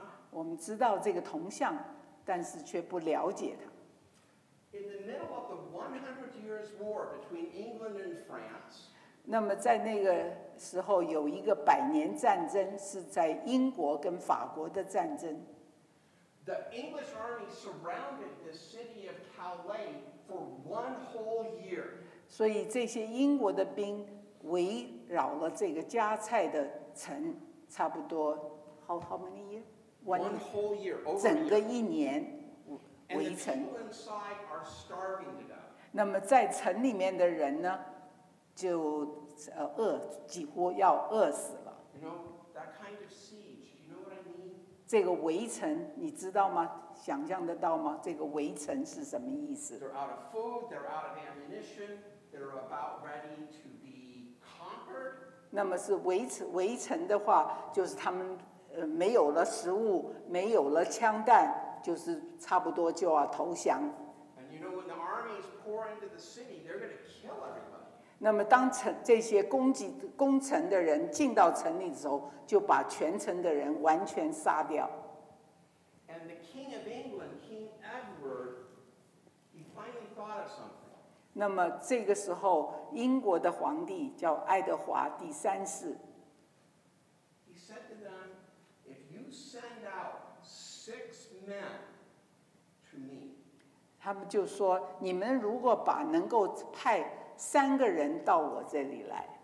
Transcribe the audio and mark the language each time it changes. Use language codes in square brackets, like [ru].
[zh] 我们知道这个铜像，但是却不了解它。 [en] In the middle of the 100 years war between England and France, [zh] 那么在那个时候有一个百年战争，是在英国跟法国的战争。 [en] The English army surrounded the city of Calais for one whole year. [zh] 所以这些英国的兵围绕了这个加蔡的城，差不多 [en] how many years? One whole year, over [zh] 整个一年围城。 [en] And the people inside are starving to death. [zh] 那么在城里面的人呢，就饿，几乎要饿死了。 [en] You know that kind of siege. You know what I mean? [zh] 这个围城，你知道吗？想象得到吗？这个围城是什么意思？ [en] They're out of food. They're out of ammunition. They're about ready to be conquered. [zh] 那么是围城的话，就是他们。没有了食物，没有了枪弹，就是差不多就要投降。 [en] And you know when the armies pour into the city, they're going to kill everybody. [zh] 那么当城这些攻城的人进到城里的时候，就把全城的人完全杀掉。 [en] And the King of England, King Edward, he finally thought of something. [zh] 那么这个时候，英国的皇帝叫爱德华第三世。 [en] He said to them. Send out six men to me. [zh] 他们就说，你们如果把能够派三个人到我这里来。